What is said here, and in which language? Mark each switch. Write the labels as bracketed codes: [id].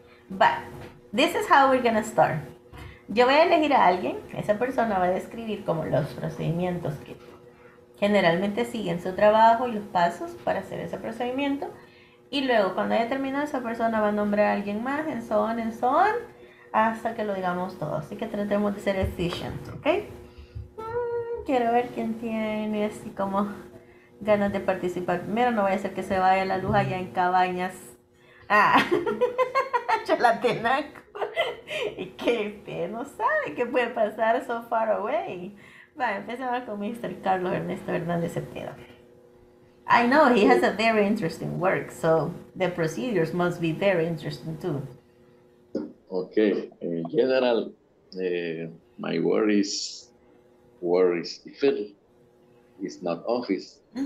[en] But this is how we're going to start. [es] Yo voy a elegir a alguien, esa persona va a describir como los procedimientos que generalmente siguen su trabajo y los pasos para hacer ese procedimiento. Y luego cuando haya terminado, esa persona va a nombrar a alguien más, en son, hasta que lo digamos todo. Así que tratemos de ser efficient, ¿ok? Quiero ver quién tiene así como ganas de participar. Primero no voy a hacer que se vaya la luz allá en cabañas. Ah, Chalatenaco. Y qué pena, no sabe qué puede pasar [en] so far away. [es] Va, empecemos con Mr. Carlos Ernesto Hernández Cepeda. [en] I know he has a very interesting work, so the procedures must be very interesting too. Okay, in general, my worries if it is not office.